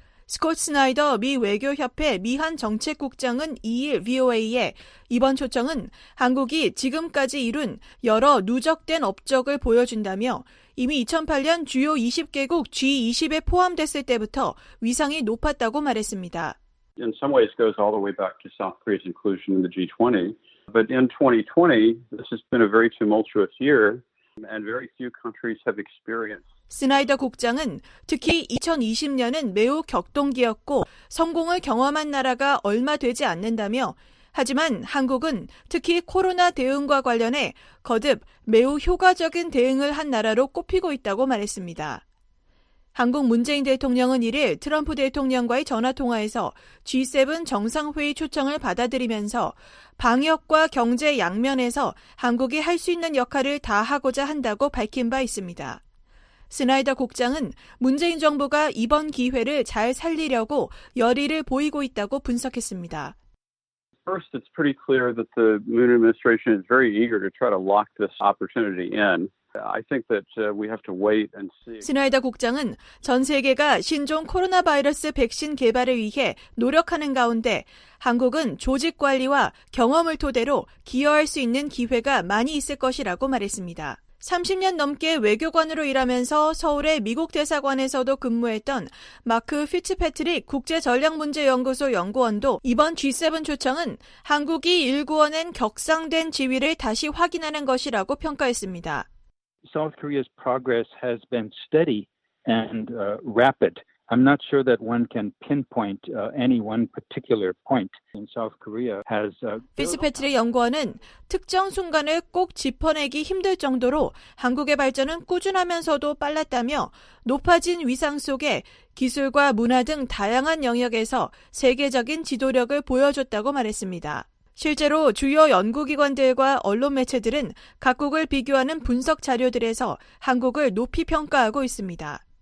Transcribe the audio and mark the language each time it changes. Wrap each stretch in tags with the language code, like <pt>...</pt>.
<ko>스콧 스나이더 미 외교협회 미한정책국장은 2일 VOA에 이번 초청은 한국이 지금까지 이룬 여러 누적된 업적을 보여준다며 이미 2008년 주요 20개국 G20에 포함됐을 때부터 위상이 높았다고 말했습니다.</ko> <en>In some ways goes all the way back to South Korea's inclusion in the G20. But in 2020, this has been a very tumultuous year and very few countries have experienced.</en> <ko>스나이더 국장은 특히 2020년은 매우 격동기였고 성공을 경험한 나라가 얼마 되지 않는다며 하지만 한국은 특히 코로나 대응과 관련해 거듭 매우 효과적인 대응을 한 나라로 꼽히고 있다고 말했습니다. 한국 문재인 대통령은 이를 트럼프 대통령과의 전화통화에서 G7 정상회의 초청을 받아들이면서 방역과 경제 양면에서 한국이 할 수 있는 역할을 다하고자 한다고 밝힌 바 있습니다. 스나이더 국장은 문재인 정부가 이번 기회를 잘 살리려고 열의를 보이고 있다고 분석했습니다.</ko> <en>First, it's pretty clear that the Moon administration is very eager to try to lock this opportunity in. I think that we have to wait and see.</en> <ko>스나이더 국장은 전 세계가 신종 코로나 바이러스 백신 개발을 위해 노력하는 가운데 한국은 조직 관리와 경험을 토대로 기여할 수 있는 기회가 많이 있을 것이라고 말했습니다. 30년 넘게 외교관으로 일하면서 서울의 미국 대사관에서도 근무했던 마크 피츠패트릭 국제전략문제연구소 연구원도 이번 G7 초청은 한국이 일구어낸 격상된 지위를 다시 확인하는 것이라고 평가했습니다.</ko> <en>South Korea's progress has been steady and rapid. I'm not sure that one can pinpoint any one particular point in South Korea has.</en> <ko>피츠패트릭 연구원은 특정 순간을 꼭 짚어내기 힘들 정도로 한국의 발전은 꾸준하면서도 빨랐다며 높아진 위상 속에 기술과 문화 등 다양한 영역에서 세계적인 지도력을 보여줬다고 말했습니다. 실제로 주요 연구기관들과 언론 매체들은 각국을 비교하는 분석 자료들에서 한국을 높이 평가하고 있습니다.</ko>